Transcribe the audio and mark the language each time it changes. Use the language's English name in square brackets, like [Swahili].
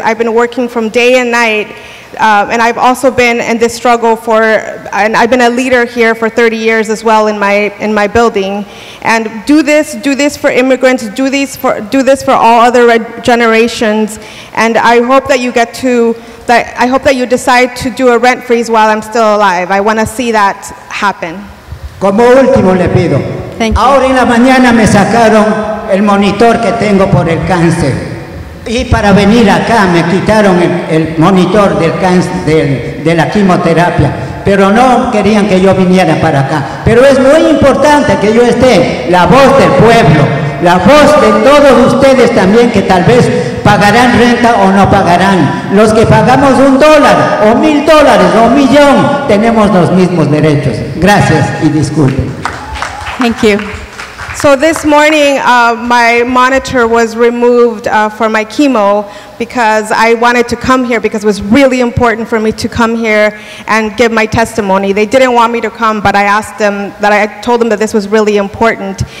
[English] I've been working from day and night. And I've also been in this struggle and I've been a leader here for 30 years as well in my building. And do this for immigrants, do this for all other generations. And I hope that you decide to do a rent freeze while I'm still alive. I want to see that happen. [Spanish] Como último le pido. [English] Thank you. [Spanish] Ahora en la mañana me sacaron el monitor que tengo por el cáncer. Y para venir acá me quitaron el monitor del cáncer, de la quimioterapia, pero no querían que yo viniera para acá. Pero es muy importante que yo esté, la voz del pueblo, la voz de todos ustedes también, que tal vez pagarán renta o no pagarán. Los que pagamos $1 o $1,000 o $1,000,000, tenemos los mismos derechos. Gracias y disculpen. [English] Thank you. So this morning, my monitor was removed for my chemo because I wanted to come here because it was really important for me to come here and give my testimony. They didn't want me to come, but I asked them, that I told them that this was really important.